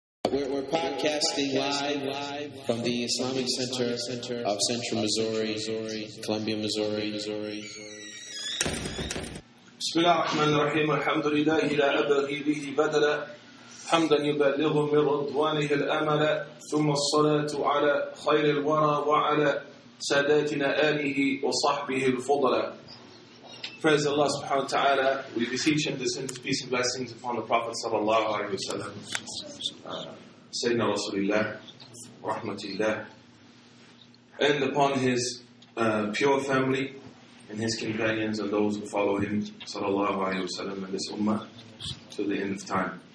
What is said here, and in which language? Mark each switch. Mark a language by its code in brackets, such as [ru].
[en] We're podcasting live from the Islamic Center of Central Missouri, Columbia, Missouri. [ar] بسم الله الرحمن الرحيم الحمد لله لا أبغي به بدلا حمدا يبلغ من رضوانه الأمل ثم الصلاة على خير الورى وعلى ساداتنا آله وصحبه الفضلة. [en] Praise Allah subhanahu wa ta'ala. We beseech and descend his peace and blessings upon the Prophet sallallahu alayhi wa sallam. Sayyidina Rasulullah, rahmatullah. And upon his pure family and his companions and those who follow him sallallahu alayhi wa sallam and this ummah to the end of time.